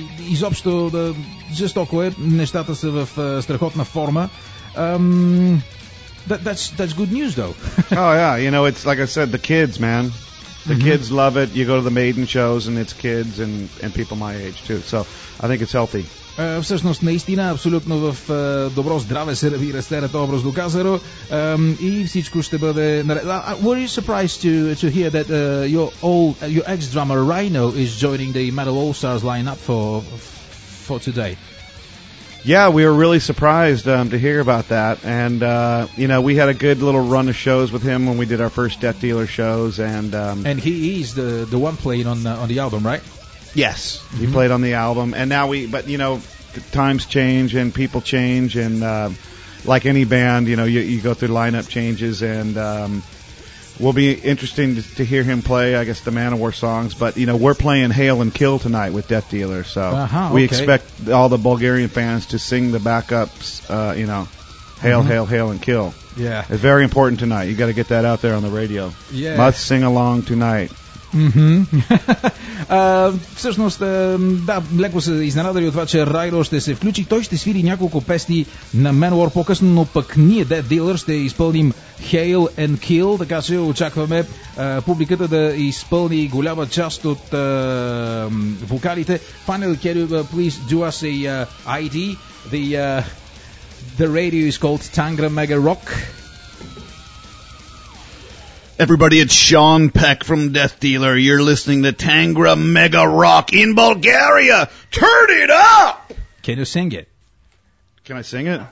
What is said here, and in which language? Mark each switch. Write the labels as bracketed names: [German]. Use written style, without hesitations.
[Bulgarian] Изобщо да, жестоко е, нещата са в страхотна форма. [English] That's good news, though. Oh, yeah, you know, it's like I said, the kids, man. The kids love it. You go to the Maiden shows and it's kids and people my age, too. So I think it's healthy. Всъщност, наистина, абсолютно в добро здраве се ръви растерата, образно казано, и всичко ще бъде наред. Were you surprised to hear that your ex-drummer Rhino is joining the Metal All-Stars lineup for today? Yeah, we were really surprised to hear about that, and you know, we had a good little run of shows with him when we did our first Death Dealer shows, and he is the one playing on the album, right? Yes, he mm-hmm. played on the album, and now but you know, times change and people change, and like any band, you know, you go through lineup changes, and will be interesting to hear him play, I guess, the Manowar songs, but you know, we're playing Hail and Kill tonight with Death Dealer, so we expect all the Bulgarian fans to sing the backups, you know, Hail, mm-hmm. Hail, Hail and Kill. Yeah. It's very important tonight, you got to get that out there on the radio. Yeah. Must sing along tonight. Mm-hmm. [Bulgarian] всъщност, да, леко се изненадали от това, че Райло ще се включи. Той ще свири няколко песни на Manowar по-късно, но пък ние, Death Dealer, ще изпълним Hail and Kill, така че очакваме публиката да изпълни голяма част от вокалите. [English] Finally, can you please do us a ID? The The radio is called Tangra Mega Rock. Everybody, it's Sean Peck from Death Dealer. You're listening to Tangra Mega Rock in Bulgaria. Turn it up! Can you sing it? Can I sing it?